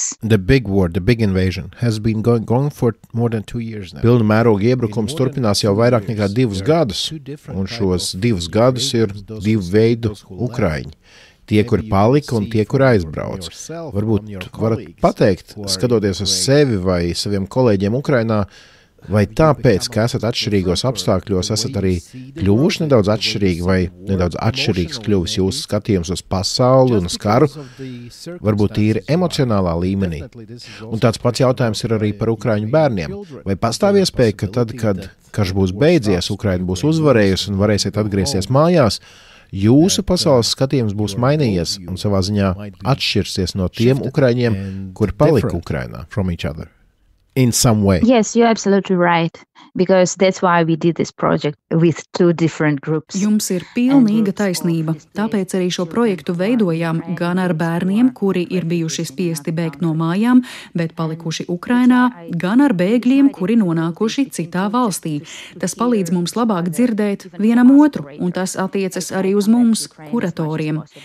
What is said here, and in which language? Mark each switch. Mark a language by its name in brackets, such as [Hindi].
[English] The big war, the big invasion has been going for more than 2 years now. [Latvian] Pilna mēroga iebrukums turpinās jau vairāk nekā 2 gadus, un šos 2 gadus ir divu veidu Ukraiņi. Tie, kur palika un tie, kur aizbrauc. Varbūt varat pateikt, skatoties uz sevi vai saviem kolēģiem Ukrainā, vai tāpēc, ka esat atšķirīgos apstākļos, esat arī kļuvuši nedaudz atšķirīgi vai nedaudz atšķirīgs kļuvis jūsu skatījums uz pasauli un uz karu, varbūt tīri emocionālā līmenī. Un tāds pats jautājums ir arī par ukraiņu bērniem. Vai pastāv iespēja, ka tad, kad karš būs beidzies, Ukraina būs uzvarējusi un varēsiet atgriezties mājās, jūsu pasaules skatījums būs mainījies un savā ziņā atšķirsies no tiem ukraiņiem, kur palika Ukrainā. [English] From each other. In some way. Yes, you're absolutely right. Because that's why we did this project with two different groups. [Latvian] Jums ir pilnīga taisnība. Tāpēc arī šo projektu veidojām gan ar bērniem, kuri ir bijuši spiesti bēgt no mājām, bet palikuši Ukrainā, gan ar bēgļiem, kuri nonākuši citā valstī. Tas palīdz mums labāk dzirdēt vienam otru, un tas attiecas arī uz mums, kuratoriem.